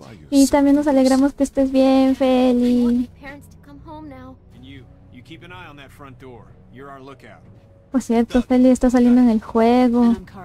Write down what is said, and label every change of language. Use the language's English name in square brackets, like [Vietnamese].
[Spanish] Y también nos alegramos que estés bien, Feli. [English] I want my parents to come home now. And you keep an eye on that front door. You're our lookout. [Spanish] Por cierto, Feli está saliendo en el juego.